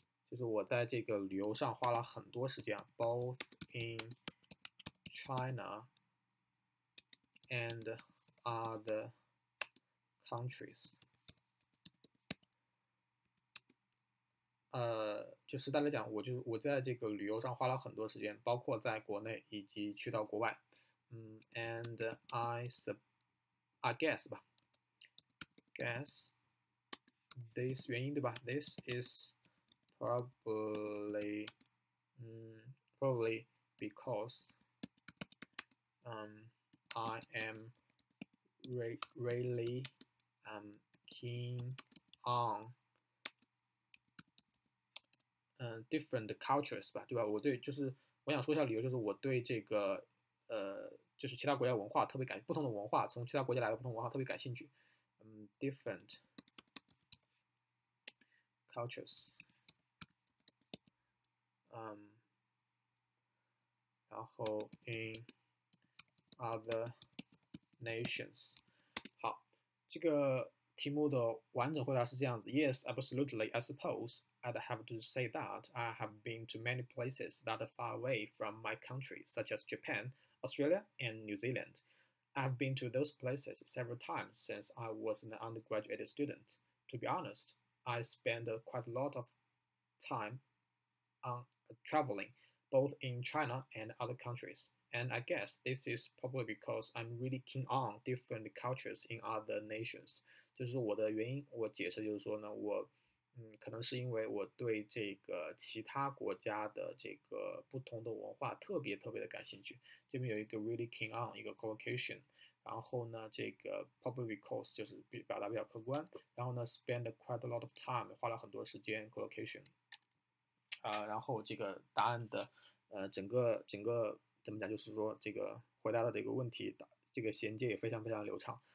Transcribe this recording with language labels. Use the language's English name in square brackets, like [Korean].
[Chinese] 就是我在这个旅游上花了很多时间， [English] both in China and are the countries. [Chinese] 就是大家讲，我在这个旅游上花了很多时间，包括在国内以及去到国外。 [English] and I guess 吧 ，guess this [Chinese] 原因对吧 [English] ？This is probably probably because I am really keen on different cultures 吧，对吧？ [Chinese] 我对就是我想说一下理由，就是我对这个就是其他国家文化特别感不同的文化，从其他国家来的不同文化特别感兴趣。 [English] different cultures。然后 in other nations。 [Chinese] 好，这个题目的完整回答是这样子 ： [English] Yes, absolutely. I suppose I'd have to say that I have been to many places that are far away from my country, such as Japan. Australia and New Zealand. I've been to those places several times since I was an undergraduate student. To be honest, I spend quite a lot of time traveling, both in China and other countries. And I guess this is probably because I'm really keen on different cultures in other nations. [Chinese] 就是我的原因，我解释就是说呢，我可能是因为我对这个其他国家的这个不同的文化特别特别的感兴趣。这边有一个 [English] really keen on [Chinese] 一个 collocation， 然后呢，这个 [English] probably because [Chinese] 就是表达比较客观，然后呢 [English] spend quite a lot of time [Chinese] 花了很多时间 collocation， 然后这个答案的整个怎么讲，就是说这个回答的这个问题，这个衔接也非常非常流畅。